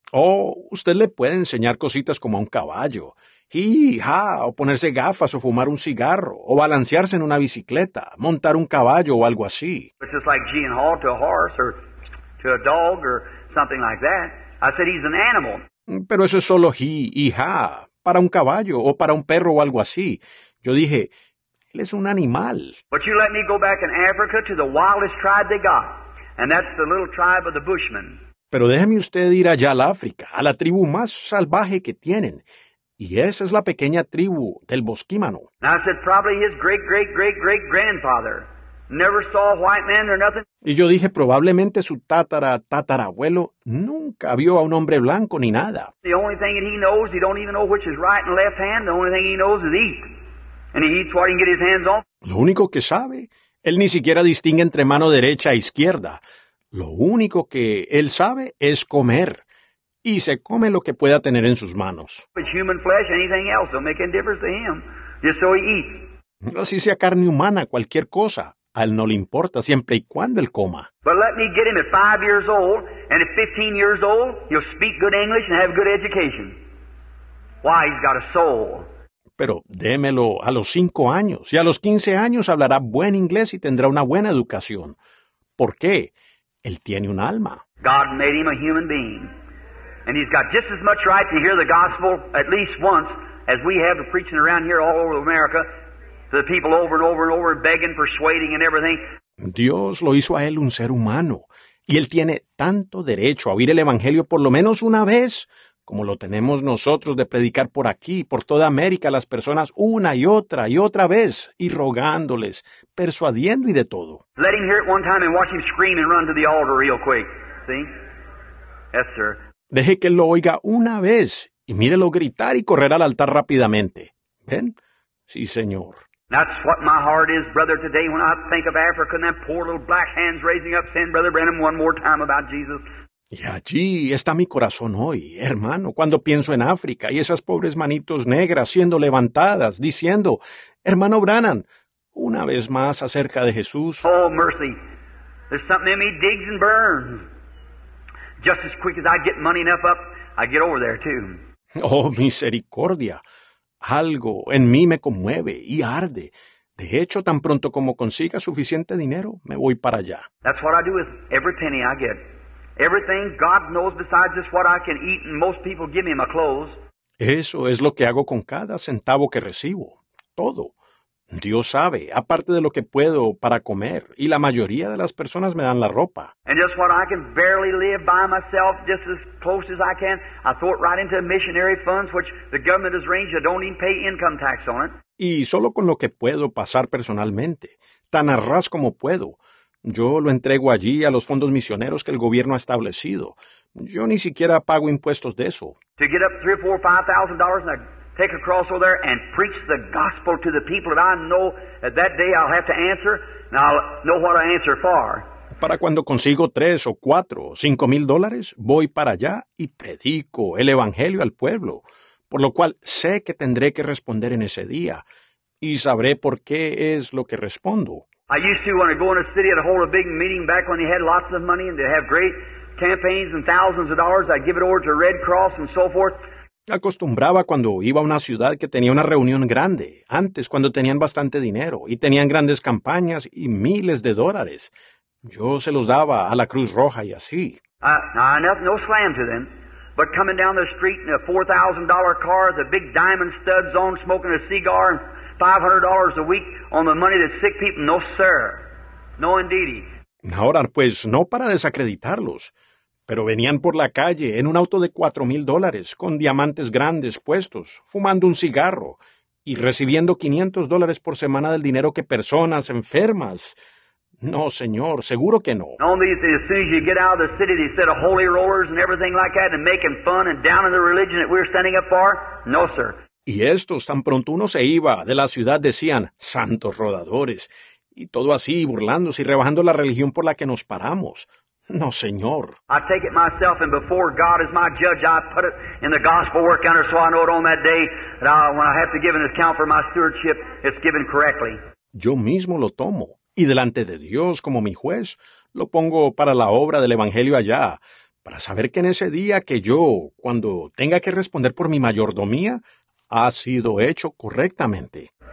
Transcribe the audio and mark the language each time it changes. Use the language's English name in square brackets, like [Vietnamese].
[Spanish] Oh, usted le puede enseñar cositas como a un caballo. Hee, ha, o ponerse gafas, o fumar un cigarro, o balancearse en una bicicleta, montar un caballo o algo así. [English] It's just like gee and haw to a horse, or to a dog, or something like that. I said he's an animal. [Spanish] Pero eso es solo hee y ha, para un caballo, o para un perro, o algo así. Yo dije, él es un animal. [English] But you let me go back in Africa to the wildest tribe they got, and that's the little tribe of the Bushmen. [Spanish] Pero déjeme usted ir allá al África, a la tribu más salvaje que tienen, y esa es la pequeña tribu del Bosquímano. [English] I said, probably his great-great-great-great-grandfather never saw a white man or nothing. [Spanish] Y yo dije, probablemente su tatarabuelo nunca vio a un hombre blanco ni nada. [English] The only thing that he knows, he don't even know which is right and left hand. The only thing he knows is eat. And he eats what he can get his hands on. [Spanish] Lo único que sabe, él ni siquiera distingue entre mano derecha e izquierda. Lo único que él sabe es comer. Y se come lo que pueda tener en sus manos. [English] It's human flesh, anything else. Don't make any difference to him. Just so he eats. [Spanish] Así sea carne humana, cualquier cosa. A él no le importa siempre y cuando él coma. [English] But let me get him at 5 years old, and at 15 years old, he'll speak good English and have good education. Why, he's got a soul. [Spanish] Pero démelo a los 5 años, y a los 15 años hablará buen inglés y tendrá una buena educación. ¿Por qué? Él tiene un alma. [English] God made him a human being. And he's got just as much right to hear the gospel at least once as we have to preaching around here all over America. To the people over and over and over, begging, persuading, and everything. [Spanish] Dios lo hizo a él un ser humano, y él tiene tanto derecho a oír el evangelio por lo menos una vez, como lo tenemos nosotros de predicar por aquí, por toda América, a las personas una y otra vez, y rogándoles, persuadiendo y de todo. [English] Let him hear it one time and watch him scream and run to the altar real quick. See? Yes, sir. [Spanish] Deje que él lo oiga una vez y mírelo gritar y correr al altar rápidamente. ¿Ven? Sí, señor. [English] That's what my heart is, brother, today when I think of Africa and that poor little black hands raising up saying, Brother Branham, one more time about Jesus. [Spanish] Y allí está mi corazón hoy, hermano, cuando pienso en África y esas pobres manitos negras siendo levantadas, diciendo, hermano Branham, una vez más acerca de Jesús. [English] Oh, mercy. There's something in me digs and burns. Just as quick as I get money enough up, I get over there too. [Spanish] Oh, misericordia. Algo en mí me conmueve y arde. De hecho, tan pronto como consiga suficiente dinero, me voy para allá. [English] That's what I do with every penny I get. Everything God knows besides just what I can eat and most people give me my clothes. [Spanish] Eso es lo que hago con cada centavo que recibo. Todo. Dios sabe, aparte de lo que puedo para comer, y la mayoría de las personas me dan la ropa. [English] And just what I can barely live by myself, just as close as I can, I throw it right into missionary funds, which the government has arranged, I don't even pay income tax on it. [Spanish] Y solo con lo que puedo pasar personalmente, tan a ras como puedo, yo lo entrego allí a los fondos misioneros que el gobierno ha establecido. Yo ni siquiera pago impuestos de eso. [English] To get up $3,000 or $4,000 or $5,000 in a take a cross over there and preach the gospel to the people that I know that day I'll have to answer, and I'll know what I answer for. [Spanish] Para cuando consigo $3,000 or $4,000 or $5,000, voy para allá y predico el evangelio al pueblo, por lo cual sé que tendré que responder en ese día, y sabré por qué es lo que respondo. [English] I used to want to go in a city and hold a big meeting back when they had lots of money and they have great campaigns and thousands of dollars. I'd give it over to Red Cross and so forth. [Spanish] Acostumbraba cuando iba a una ciudad que tenía una reunión grande, antes cuando tenían bastante dinero y tenían grandes campañas y miles de dólares. Yo se los daba a la Cruz Roja y así. [English] No slam to them, but coming down the street in a $4,000 car, the big diamond studs on, smoking a cigar, and $500 a week on the money that sick people, no sir, no indeedy. [Spanish] Ahora, pues, no para desacreditarlos, pero venían por la calle en un auto de $4,000, con diamantes grandes puestos, fumando un cigarro y recibiendo $500 por semana del dinero que personas enfermas. No, señor, seguro que no. [English] As soon as you get out of the city, they set a holy rollers and everything like that and making fun and down in the religion that we're standing up for. No, sir. [Spanish] Y estos, tan pronto uno se iba de la ciudad, decían, santos rodadores, y todo así, burlándose y rebajando la religión por la que nos paramos. No, señor. [English] I take it myself, and before God is my judge, I put it in the gospel work counter so I know it on that day that when I have to give an account for my stewardship, it's given correctly. [Spanish] Yo mismo lo tomo, y delante de Dios, como mi juez, lo pongo para la obra del Evangelio allá, para saber que en ese día que yo, cuando tenga que responder por mi mayordomía, ha sido hecho correctamente.